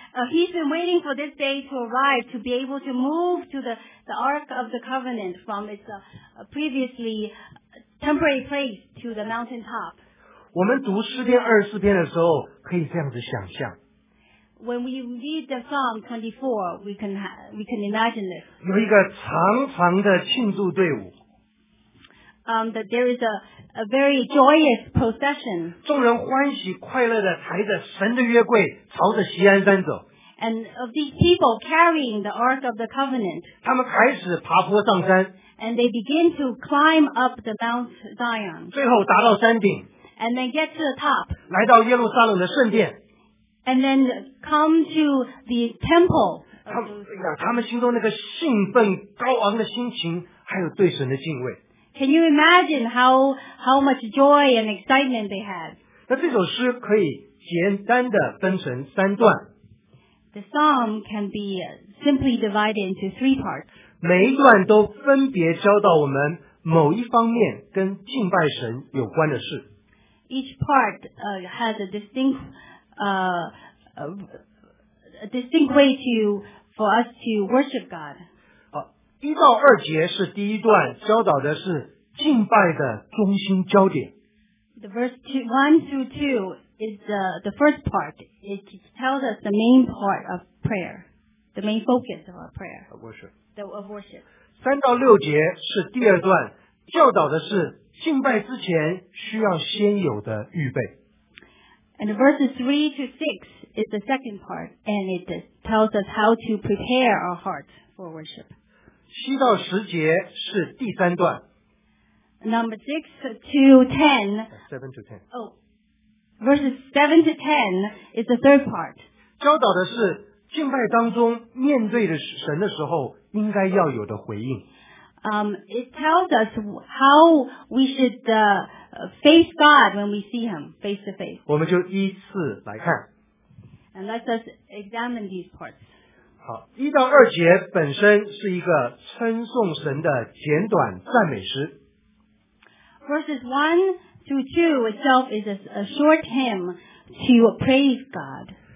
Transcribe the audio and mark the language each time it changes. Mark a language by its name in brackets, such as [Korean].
[English] He's been waiting for this day to arrive to be able to move to the Ark of the Covenant from its previously temporary place to the mountain top. [Chinese] 我们读诗篇二十四篇的时候，可以这样子想象。 [English] When we read the Psalm 24, we can imagine this. [Chinese] 有一个长长的庆祝队伍。 [English] That there is a very joyous procession. [Chinese] 众人欢喜快乐地抬着神的约柜朝着锡安山走。 [English] And of these people carrying the Ark of the Covenant. [Chinese] 他们开始爬坡上山。 [English] And they begin to climb up the Mount Zion. [Chinese] 最后达到山顶。 [English] And they get to the top. [Chinese] 来到耶路撒冷的圣殿。 [English] And then come to the temple. [Chinese] 他们心中那个兴奋高昂的心情，还有对神的敬畏。 [English] Can you imagine how much joy and excitement they had? [Chinese] 那这首诗可以简单的分成三段。 [English] The psalm can be simply divided into three parts. [Chinese] 每一段都分别教导我们某一方面跟敬拜神有关的事。 [English] Each part has a distinct way for us to worship God. [Chinese] 一到二节是第一段，教导的是敬拜的中心焦点。 [English] The verse 1 through 2 is the first part. It tells us the main part of prayer, the main focus of our prayer. Of worship. [Chinese] 三到六节是第二段，教导的是敬拜之前需要先有的预备。 [English] And verses 3 to 6 is the second part, and it tells us how to prepare our hearts for worship. [Chinese] 7到10节是第三段。 [English] Number 6 to 10. 7 to 10. Oh, verses 7 to 10 is the third part. [Chinese] 教导的是, 敬拜当中面对着神的时候应该要有的回应。 [English] It tells us how we should face God when we see Him face to face. [Chinese] 我们就依次来看。 [English] And let us examine these parts. [Chinese] 好，1到2节本身是一个称颂神的简短赞美诗。 [English] Verses 1 through 2 itself is a short hymn to praise God.